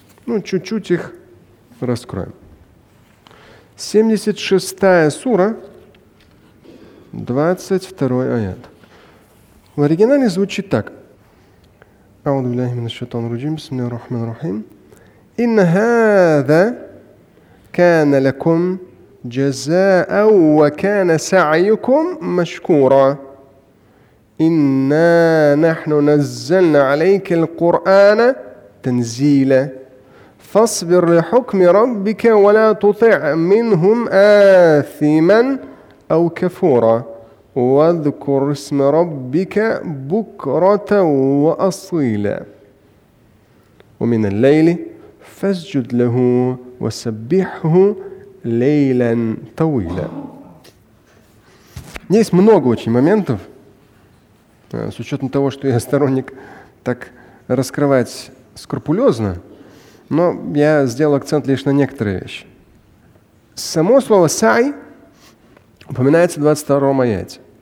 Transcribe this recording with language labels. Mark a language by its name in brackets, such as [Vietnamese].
[Russian] Ну, чуть-чуть их раскроем. 76-я сура, 22-й аят. В оригинале звучит так. [Arabic] «Ауду биллахи минаш-шайтан ар-раджим, бисмиллахи ар-рахмани ар-рахим». إن هذا كان لكم جزاء وكان سعيكم مشكورا إنا نحن نزلنا عليك القرآن تنزيلا فاصبر لحكم ربك ولا تطع منهم آثما أو كفورا واذكر اسم ربك بكرة وأصيلا ومن الليل فَسْجُدْ لَهُ وَسَبِّحْهُ لَيْلًا طَوِيلًا. [Russian] Есть много очень моментов, с учетом того, что я сторонник так раскрывать скрупулезно, но я сделал акцент лишь на некоторые вещи. Само слово «сай» упоминается в 22-м аяте.